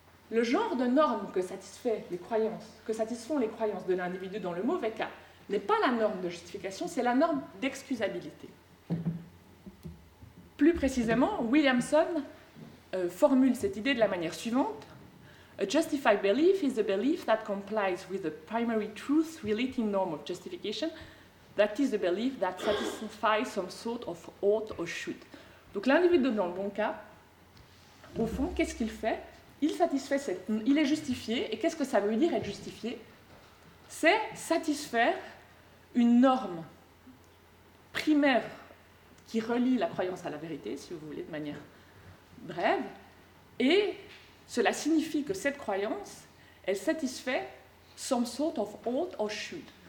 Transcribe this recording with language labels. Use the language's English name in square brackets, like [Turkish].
[French] Le genre de norme que satisfait les croyances, que satisfont les croyances de l'individu dans le mauvais cas, n'est pas la norme de justification, c'est la norme d'excusabilité. Plus précisément, Williamson formule cette idée de la manière suivante. [English] A justified belief is a belief that complies with the primary truth relating norm of justification, that is a belief that satisfies some sort of ought or should. [French] Donc l'individu dans le bon cas, au fond, qu'est-ce qu'il fait ? Il satisfait cette... Il est justifié, et qu'est-ce que ça veut dire être justifié ? C'est satisfaire une norme primaire qui relie la croyance à la vérité, si vous voulez, de manière brève, et cela signifie que cette croyance, elle satisfait [English] some sort of ought or should.